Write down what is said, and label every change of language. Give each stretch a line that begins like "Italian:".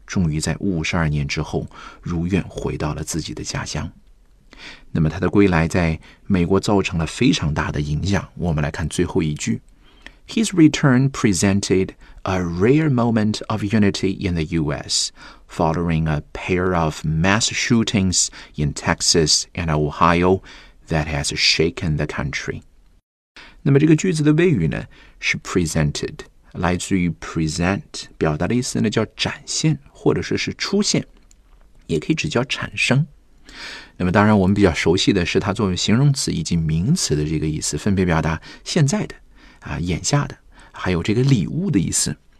Chinese: 终于在52年之后如愿回到了自己的家乡。那么他的归来在美国造成了非常大的影响，我们来看最后一句，
English: His return presented a rare moment of unity in the U.S. following a pair of mass shootings in Texas and Ohio that has shaken the country.
Chinese: 那么这个句子的谓语呢是 presented, 来自于 present, 表达的意思呢叫展现或者说是出现，也可以指叫产生。那么当然我们比较熟悉的是它作为形容词以及名词的这个意思，分别表达现在的啊、眼下的还有这个礼物的意思。